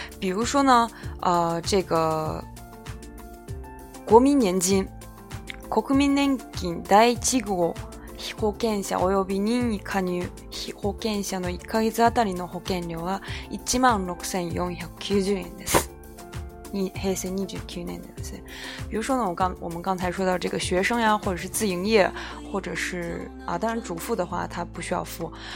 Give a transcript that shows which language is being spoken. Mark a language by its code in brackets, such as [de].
[zh] 比如说呢，这个国民年金，国民年金第一号 [ja] 被保険者及び任意加入被保険者の1ヶ月あたりの保険料は 16,490 円です。 [zh] 平成29年的。比如说呢我们刚才说到这个学生呀或者是自营业或者是啊当然主妇的话他不需要付。